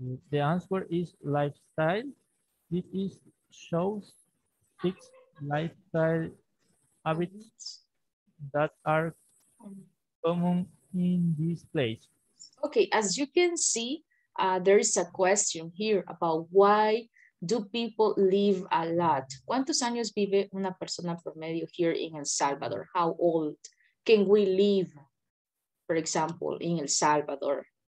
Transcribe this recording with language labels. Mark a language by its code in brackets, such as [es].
[en] The answer is lifestyle. This is shows six lifestyle habits that are common in this place. Okay, as you can see, there is a question here about why do people live a lot? [es] ¿Cuántos años vive una persona promedio [en] here in [es] El Salvador? [en] How old can we live, for example, in El Salvador?